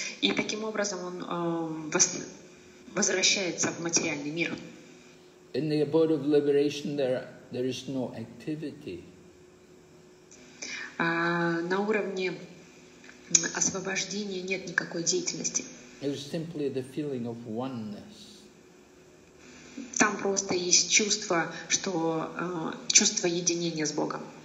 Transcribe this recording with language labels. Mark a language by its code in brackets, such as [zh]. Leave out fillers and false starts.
[ru] И таким образом он возвращается в материальный мир. [en] In the abode of liberation, there is no activity. [ru] На уровне освобождения нет никакой деятельности. [en] It is simply the feeling of oneness. [ru] Там просто есть чувство, что чувство единения с Богом.